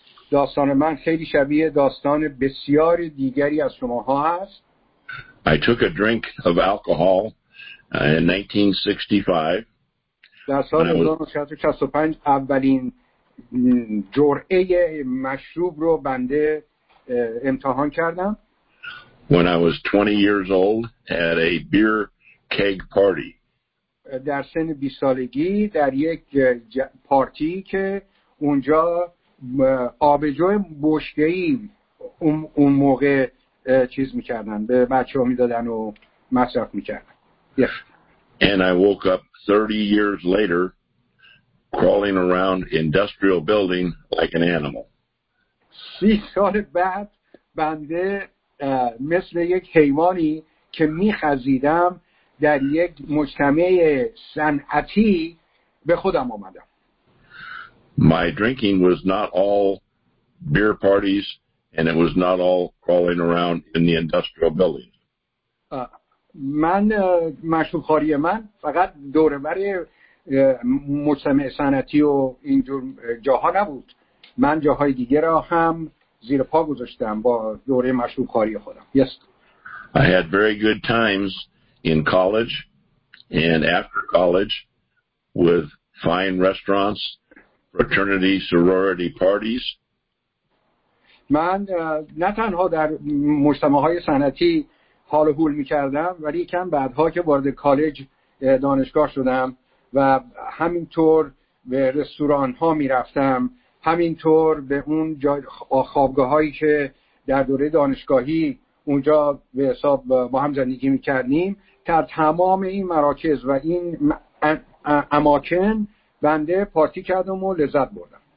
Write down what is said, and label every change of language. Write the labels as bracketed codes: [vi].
[fa] داستان من خیلی شبیه داستان بسیار دیگری از شماها است. [en] I took a drink of alcohol in 1965. [fa] در سال 1965 اولین جرعه مشروب رو بنده امتحان کردم. [en] When I was 20 years old at a beer keg party. [fa] در سن 20 سالگی در یک پارتی که اونجا آبجو بشکه‌ای اون موقع چیز می‌کردن، به بچه‌ها می‌دادن و مصرف می‌کردن. [en] Yes. And I woke up 30 years later crawling around industrial building like an animal. [fa] 30 سال بعد بنده مثل یک حیوانی که می‌خزیدم در یک مجتمع صنعتی به خودم آمدم. [en] My drinking was not all beer parties, and it was not all crawling around in the industrial buildings. [fa] من مشروب خوری من فقط دور بر مجتمع صنعتی و اینجور جاها نبود. من جاهای دیگه را هم زیر پا گذاشتم با دوره مشروب خوری خودم. [en] Yes. I had very good times in college and after college with fine restaurants fraternity sorority parties. [fa] من نه تنها در مجتمع‌های صنعتی حال و حول می‌کردم، ولی کم بعدها که وارد کالج دانشگاه شدم و همینطور به رستوران‌ها می‌رفتم، همینطور به اون خوابگاه‌هایی که در دوره دانشگاهی اونجا به حساب با هم زندگی می‌کردیم، در تمام این مراکز و این اماکن بنده پارتی کردم و لذت بردم.